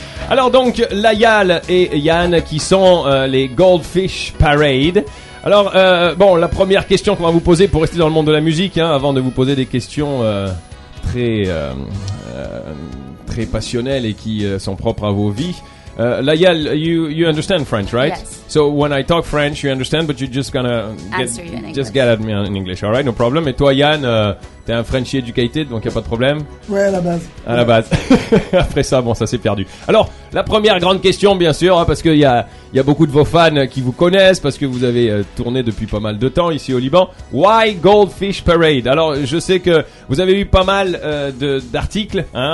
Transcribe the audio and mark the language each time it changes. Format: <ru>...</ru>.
<fr>Alors donc, Layal et Yann, qui sont les Goldfish Parade. Alors, bon, la première question qu'on va vous poser, pour rester dans le monde de la musique, hein, avant de vous poser des questions très passionnelles et qui sont propres à vos vies.</fr> <en>Layal, you understand French, right? Yes. So when I talk French, you understand, but you're just gonna get at me in English, all right? No problem.</en> <fr>Et toi, Yann, t'es un Frenchy educated, donc y a pas de problème. Ouais, à la base. À la base. Après ça, bon, ça s'est perdu. Alors, la première grande question, bien sûr, hein, parce que y a beaucoup de vos fans qui vous connaissent, parce que vous avez tourné depuis pas mal de temps ici au Liban. Why Goldfish Parade? Alors, je sais que vous avez eu pas mal d'articles, hein.</fr>